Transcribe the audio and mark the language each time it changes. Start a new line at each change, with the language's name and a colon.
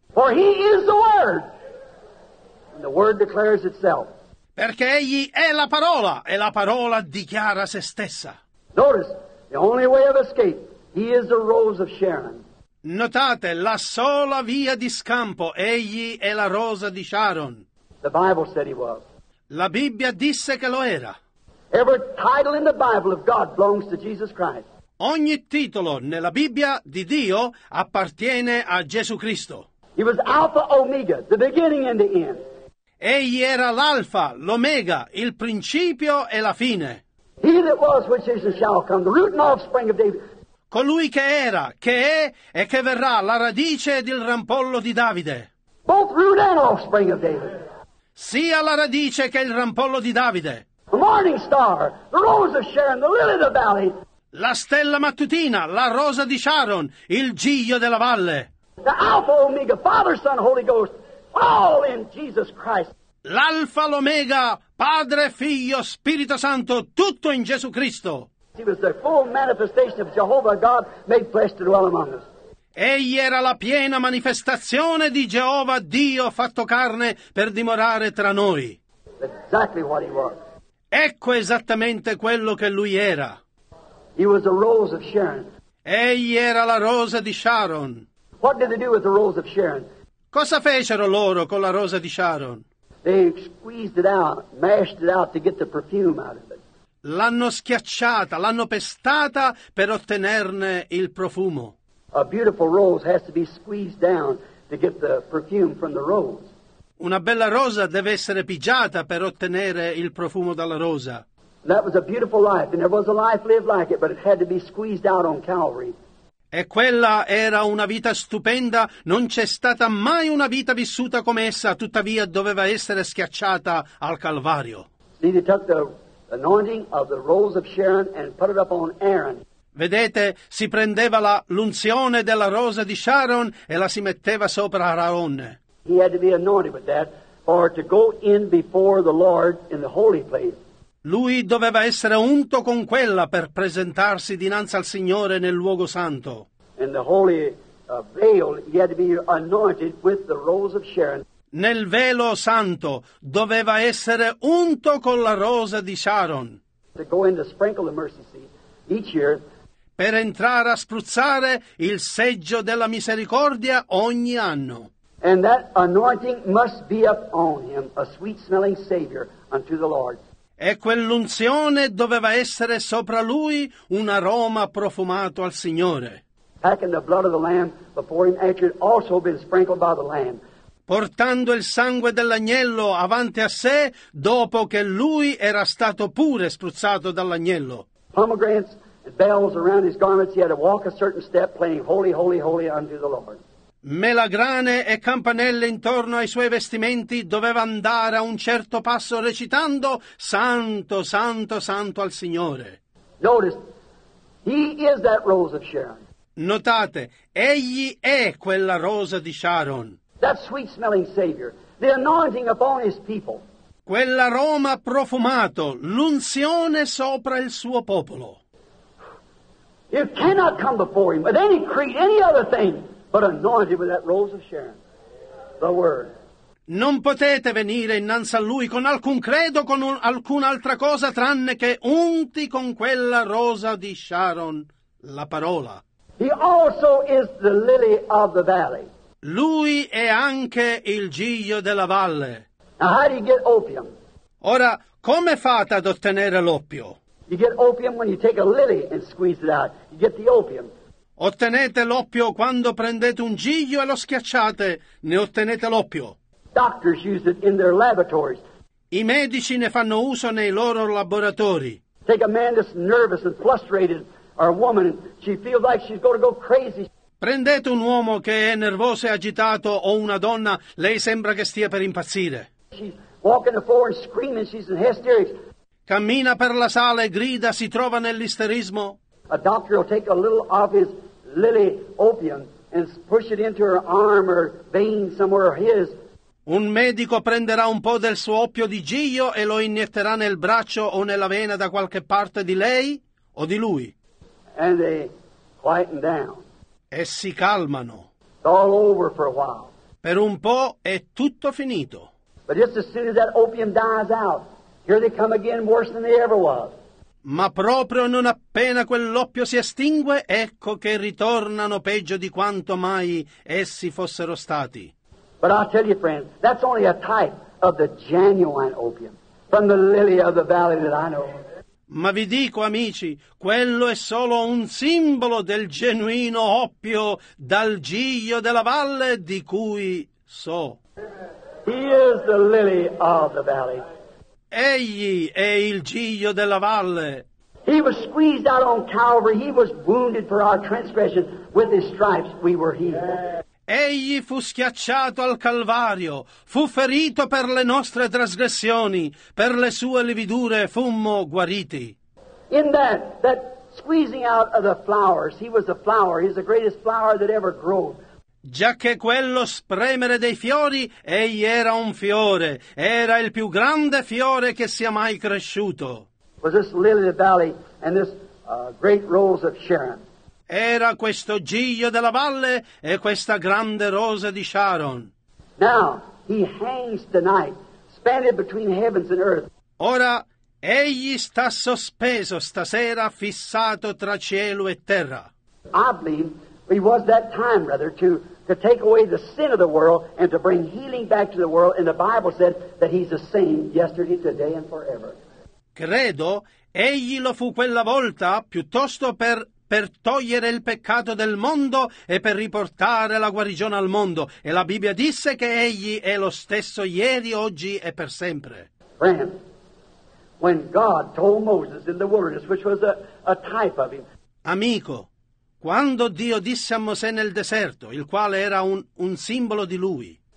English: For he is the word, and the word declares itself.
Italian: Perché egli è la parola, e la parola dichiara se stessa.
English: Notice, the only way of escape, he is the rose of Sharon.
Italian: Notate, la sola via di scampo, egli è la rosa di Sharon.
English: The Bible said he was.
Italian: La Bibbia disse che lo era.
English: Every title in the Bible of God belongs to Jesus Christ.
Italian: Ogni titolo nella Bibbia di Dio appartiene a Gesù Cristo.
English: He was Alpha Omega, the beginning and the end.
Italian: Egli era l'Alfa, l'Omega, il principio e la fine.
English: He that was, which is, and shall come, the root and offspring of David.
Italian: Colui che era, che è e che verrà, la radice ed il rampollo di Davide.
English: Both root and offspring of David.
Italian: Sia la radice che il rampollo di Davide.
English: The morning star, the rose of Sharon, the lily of the valley.
Italian: La stella mattutina, la rosa di Sharon, il giglio della valle.
English: The Alpha Omega, Father, Son, Holy Ghost, all in Jesus Christ.
Italian: L'Alfa, l'Omega, Padre, Figlio, Spirito Santo, tutto in Gesù Cristo.
English: He was the full manifestation of Jehovah God made flesh to dwell among us.
Italian: Egli era la piena manifestazione di Geova Dio fatto carne per dimorare tra noi.
English: Exactly what he was.
Italian: Ecco esattamente quello che lui era.
English: He was the rose of Sharon.
Italian: Egli era la rosa di Sharon.
English: What did they do with the rose of Sharon?
Italian: Cosa fecero loro con la rosa di Sharon?
English: They squeezed it out, mashed it out to get the perfume out of it.
Italian: L'hanno schiacciata, l'hanno pestata per ottenerne il profumo.
English: A beautiful rose has to be squeezed down to get the perfume from the rose.
Italian: Una bella rosa deve essere pigiata per ottenere il profumo dalla rosa.
English: That was a beautiful life, and there was a life lived like it, but it had to be squeezed out on Calvary.
Italian: E quella era una vita stupenda, non c'è stata mai una vita vissuta come essa, tuttavia doveva essere schiacciata al Calvario.
English: See, they took the anointing of the rose of Sharon and put it up on Aaron.
Italian: Vedete, si prendeva la l'unzione della rosa di Sharon e la si metteva sopra Aaronne.
English: He had to be anointed with that, or to go in before the Lord in the holy place.
Italian: Lui doveva essere unto con quella per presentarsi dinanzi al Signore nel luogo santo.
English: In the holy veil, he had to be anointed with the rose of Sharon.
Italian: Nel velo santo doveva essere unto con la rosa di Sharon.
English: To go in to sprinkle the mercy seat each year.
Italian: Per entrare a spruzzare il seggio della misericordia ogni anno.
English: And that anointing must be up on him, a sweet smelling savior unto the Lord.
Italian: E quell'unzione doveva essere sopra lui un aroma profumato al Signore.
English: Packing the blood of the lamb before him, and it had also been sprinkled by the lamb.
Italian: Portando il sangue dell'agnello avanti a sé, dopo che lui era stato pure spruzzato dall'agnello.
English: Pomegranates and bells around his garments, he had to walk a certain step, playing holy, holy, holy unto the Lord.
Italian: Melagrane e campanelle intorno ai suoi vestimenti doveva andare a un certo passo recitando Santo, Santo, Santo al Signore.
English: Notice, he is that rose of Sharon.
Italian: Notate, egli è quella rosa di Sharon.
English: That sweet smelling Savior, the anointing upon his people.
Italian: Quell'aroma profumato, l'unzione sopra il suo popolo.
English: You cannot come before him with any creed, any other thing. But anointed with that rose of Sharon, the Word.
Italian: Non potete venire innanzi a lui con alcun credo, con alcun'altra cosa, tranne che unti con quella rosa di Sharon, la parola.
English: He also is the lily of the valley.
Italian: Lui è anche il giglio della valle.
English: Now how do you get opium?
Italian: Ora, come fate ad ottenere l'oppio?
English: You get opium when you take a lily and squeeze it out. You get the opium.
Italian: Ottenete l'oppio quando prendete un giglio e lo schiacciate, ne ottenete l'oppio.
English: Doctors use it in their laboratories.
Italian: I medici ne fanno uso nei loro laboratori.
English: Take a man that's nervous and frustrated, or a woman, she feels like she's going to go crazy.
Italian: Prendete un uomo che è nervoso e agitato, o una donna, lei sembra che stia per impazzire.
English: She's walking the floor and screaming, she's in hysterics.
Italian: Cammina per la sala e grida, si trova nell'isterismo.
English: A doctor will take a little of his lily opium and push it into her arm or vein somewhere of his.
Italian: Un medico prenderà un po' del suo oppio di giglio e lo inietterà nel braccio o nella vena da qualche parte di lei o di lui.
English: And they quieten down.
Italian: E si calmano.
English: It's all over for a while.
Italian: Per un po' è tutto finito.
English: But just as soon as that opium dies out, here they come again worse than they ever was.
Italian: Ma proprio non appena quell'oppio si estingue, ecco che ritornano peggio di quanto mai essi fossero stati.
English: But I'll tell you, friends, that's only a type of the genuine opium from the lily of the valley that I know.
Italian: Ma vi dico, amici, quello è solo un simbolo del genuino oppio dal giglio della valle di cui so.
English: He is the lily of the valley.
Italian: Egli è il giglio della valle.
English: He was squeezed out on Calvary. He was wounded for our transgressions. With his stripes we were healed.
Italian: Egli fu schiacciato al Calvario. Fu ferito per le nostre trasgressioni. Per le sue lividure fummo guariti.
English: In that squeezing out of the flowers, he was the flower. He's the greatest flower that ever grew.
Italian: Già che quello spremere dei fiori, egli era un fiore, era il più grande fiore che sia mai cresciuto.
English: Was this lily of the valley and this great rose of Sharon.
Italian: Era questo giglio della valle e questa grande rosa di Sharon.
English: Now, he hangs tonight, suspended between heavens and earth.
Italian: Ora, egli sta sospeso stasera, fissato tra cielo e terra.
English: Oddly, he was that time, rather, to take away the sin of the world and to bring healing back to the world. And the Bible said that he's the same yesterday, today, and forever.
Italian: Credo, egli lo fu quella volta, piuttosto per togliere il peccato del mondo e per riportare la guarigione al mondo. E la Bibbia disse che egli è lo stesso ieri, oggi e per sempre.
English: Friend, when God told Moses in the wilderness, which was a type of him.
Italian: Amico. Quando Dio disse a Mosè nel deserto, il quale era un simbolo di lui,